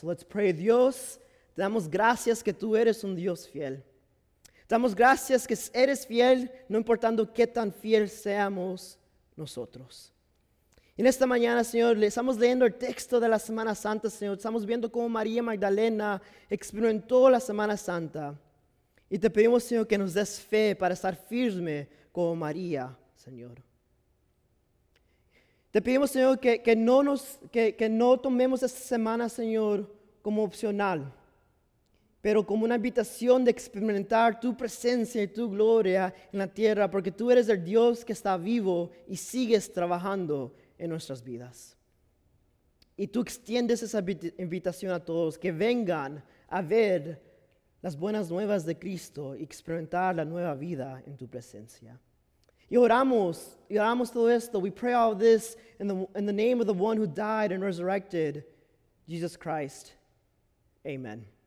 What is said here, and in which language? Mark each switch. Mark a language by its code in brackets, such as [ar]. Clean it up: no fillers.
[en] So let's pray. [es] Dios, te damos gracias que tú eres un Dios fiel. Te damos gracias que eres fiel, no importando qué tan fiel seamos nosotros. En esta mañana, Señor, le estamos leyendo el texto de la Semana Santa, Señor. Estamos viendo cómo María Magdalena experimentó la Semana Santa. Y te pedimos, Señor, que nos des fe para estar firme como María, Señor. Te pedimos, Señor, que no tomemos esta semana, Señor, como opcional, pero como una invitación de experimentar tu presencia y tu gloria en la tierra, porque tú eres el Dios que está vivo y sigues trabajando en nuestras vidas. Y tú extiendes esa invitación a todos que vengan a ver las buenas nuevas de Cristo y experimentar la nueva vida en tu presencia. Y oramos todo esto. [en] We pray all this in the name of the one who died and resurrected, Jesus Christ. Amen.